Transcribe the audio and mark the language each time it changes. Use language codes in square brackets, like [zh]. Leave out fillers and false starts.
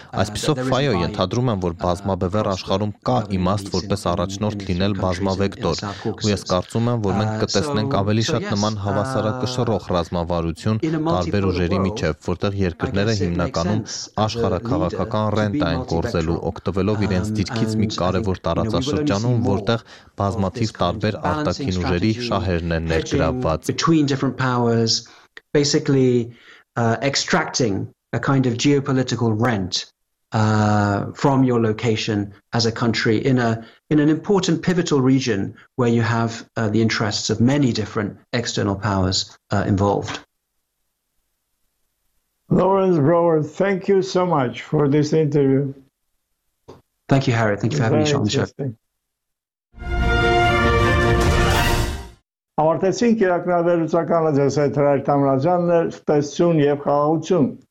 [hy] Այսպիսով ՖԱՅՈ ենթադրում են, որ բազմաբևեռ աշխարհում կա իմաստ որպես առաջնորդ լինել բազմավեկտոր, ու ես կարծում եմ, որ մենք կտեսնենք ավելի շատ նման հավասարակշռող ռազմավարություն տարբեր ուժերի միջև, որտեղ երկրները հիմնականում աշխարհակաղակական ռենտա են գործելու, օգտվելով իրենց դիրքից մի կարևոր տարածաշրջանում, որտեղ բազմաթիվ տարբեր արտաքին ուժերի շահերն են [en] between different powers, basically extracting a kind of geopolitical rent from your location as a country in an important pivotal region where you have the interests of many different external powers involved. Lawrence Brower, thank you so much for this interview. Thank you, Harry. Thank you for having me on the show. Ավարտեցին կիրակնադերուցական լեզվի թերթամրաժաններ, տեսություն եւ խաղաղություն։